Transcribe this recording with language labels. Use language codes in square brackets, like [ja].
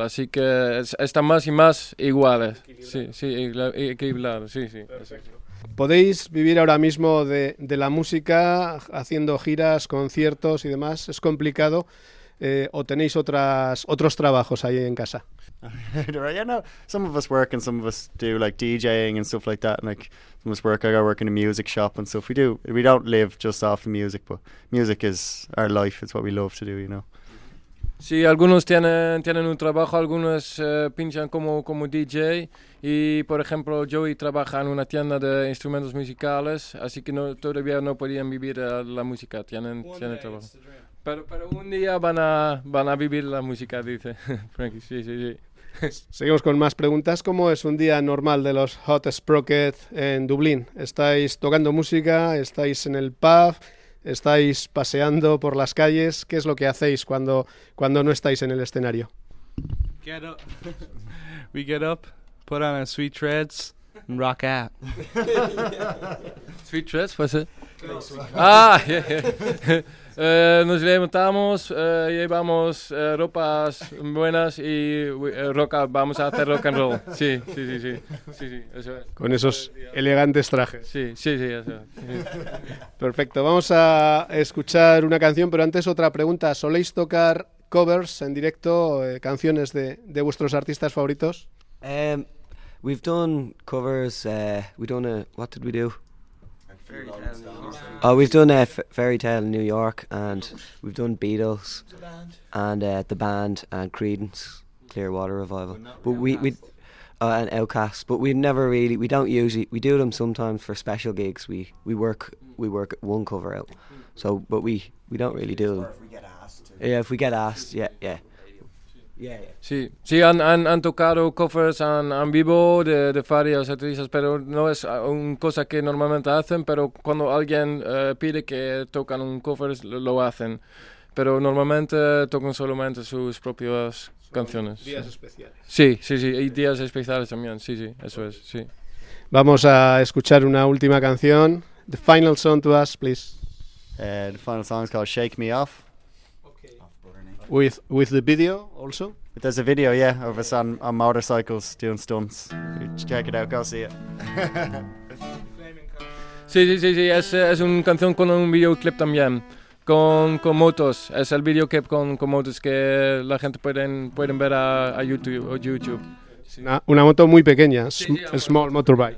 [es] Así que están más y más iguales. Equilibrado. Perfecto. ¿Podéis vivir ahora mismo de la música, haciendo giras, conciertos y demás? ¿Es complicado? ¿O tenéis otros trabajos ahí en casa? [en] Yeah, no. Some of us work and some of us do like DJing and stuff like that. And, like, some of us work, I work in a music shop and stuff. We don't live just off the music, but music is our life. It's what we love to do, you know. [es] Sí, algunos tienen un trabajo, algunos pinchan como DJ y, por ejemplo, Joey trabaja en una tienda de instrumentos musicales, así que todavía no podían vivir la música, tienen trabajo. Pero un día van a vivir la música, dice Frankie, sí. Seguimos con más preguntas. ¿Cómo es un día normal de los Hot Sprockets en Dublín? ¿Estáis tocando música? ¿Estáis en el pub? ¿Estáis paseando por las calles? ¿Qué es lo que hacéis cuando no estáis en el escenario? [en] Get up. We get up, put on our sweet treads, and rock out. Sweet treads, pues. Ah, yeah, yeah. [es] Nos levantamos, llevamos ropas buenas y vamos a hacer rock and roll. Sí. Eso es. Con esos elegantes trajes. Sí, eso es. Perfecto, vamos a escuchar una canción, pero antes otra pregunta. ¿Soléis tocar covers en directo, canciones de vuestros artistas favoritos? [en] We've done covers, what did we do? Oh, we've done Fairy Tale in New York, and we've done Beatles, and the band, and Creedence, Clearwater Revival. But we and Outcast, but we never really, we don't usually, we do them sometimes for special gigs. We work one cover out, so, but we don't really do them. If we get asked. Yeah. [es] Sí, han tocado covers en vivo de varias actrices, pero no es una cosa que normalmente hacen, pero cuando alguien pide que tocan un cover, lo hacen. Pero normalmente tocan solamente sus propias canciones. Días especiales. Sí, y días especiales también, sí, eso es, sí. Vamos a escuchar una última canción. [en] The final song to us, please. The final song is called Shake Me Off. With the video also? There's a video, yeah, of us on motorcycles doing stunts. Check it out, go see it. [es] Sí, es una canción con un videoclip también, con motos. Es el videoclip con motos que la gente pueden ver a YouTube. Una moto muy pequeña, [en] small motorbike.